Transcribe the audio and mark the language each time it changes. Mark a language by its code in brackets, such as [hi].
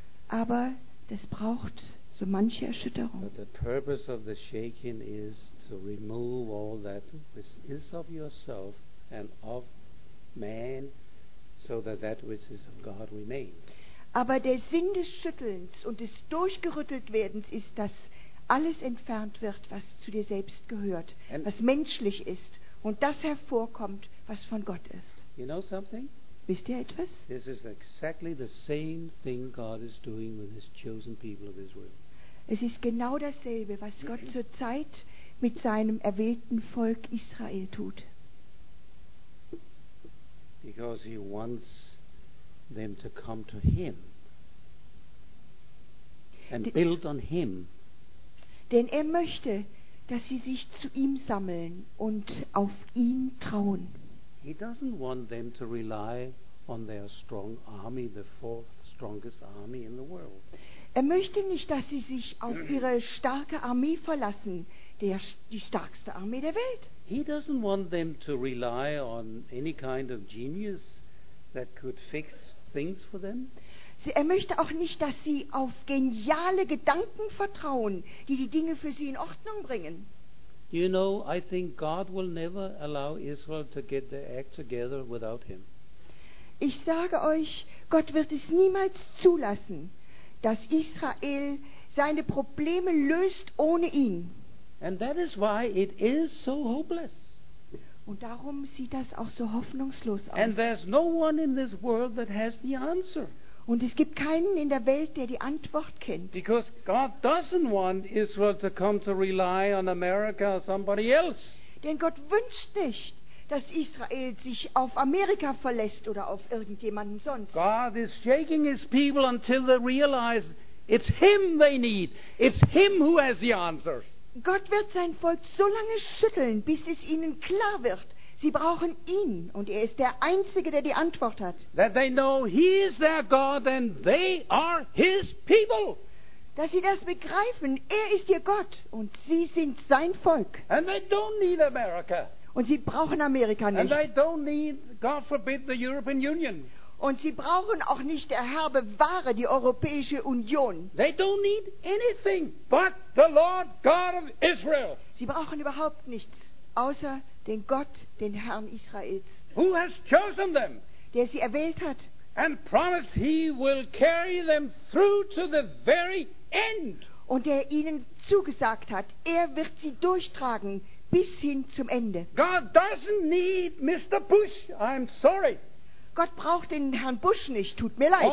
[de] Aber das braucht so manche Erschütterung. [en] But the purpose of the shaking is to remove all that which is of yourself and of man, so that that which is of God remain. [de] Aber der Sinn des Schüttelns und des Durchgerüttelwerdens ist, dass alles entfernt wird, was zu dir selbst gehört, and was menschlich ist, und das hervorkommt, was von Gott ist. [en] You know something? [de] Wisst ihr etwas? [en] This is exactly the same thing God is doing with his chosen people of Israel. [de] Es ist genau dasselbe, was Gott zurzeit mit seinem erwählten Volk Israel tut. [en] Because he wants them to come to him and build on him. [de] Denn er möchte, dass sie sich zu ihm sammeln und auf ihn trauen. [en] He doesn't want them to rely on their strong army, the fourth strongest army in the world. [de] Er möchte nicht, dass sie sich auf ihre starke Armee verlassen, die stärkste Armee der Welt. [en] He doesn't want them to rely on any kind of genius that could fix things for them. [de] Er möchte auch nicht, dass sie auf geniale Gedanken vertrauen, die Dinge für sie in Ordnung bringen. [en] You know, I think God will never allow Israel to get their act together without him. [de] Ich sage euch, Gott wird es niemals zulassen, dass Israel seine Probleme löst ohne ihn. [en] And that is why it is so hopeless. [de] Und darum sieht das auch so hoffnungslos aus. [en] And there's no one in this world that has the answer. [de] Und es gibt keinen in der Welt, der die Antwort kennt. [en] Because God doesn't want Israel to come to rely on America or somebody else. [de] Denn Gott wünscht nicht, dass Israel sich auf Amerika verlässt oder auf irgendjemanden sonst. [en] God is shaking his people until they realize it's him they need. It's him who has the answers. [de] Gott wird sein Volk so lange schütteln, bis es ihnen klar wird. Sie brauchen ihn, und er ist der Einzige, der die Antwort hat. [en] That they know he is their God and they are his people. [de] Dass sie das begreifen, er ist ihr Gott und sie sind sein Volk. [en] And they don't need America. [de] Und sie brauchen Amerika nicht. [en] And they don't need, God forbid, the European Union. [de] Und sie brauchen auch nicht der herbe Ware, die Europäische Union. [en] They don't need anything but the Lord God of Israel. [de] Sie brauchen überhaupt nichts, außer den Gott, den Herrn Israels. [en] Who has chosen them? [de] Der sie erwählt hat. [en] And promised he will carry them through to the very end. [de] Und der ihnen zugesagt hat, er wird sie durchtragen bis hin zum Ende. [en] God doesn't need Mr. Bush. I'm sorry. [de] Gott braucht den Herrn Bush nicht, tut mir leid.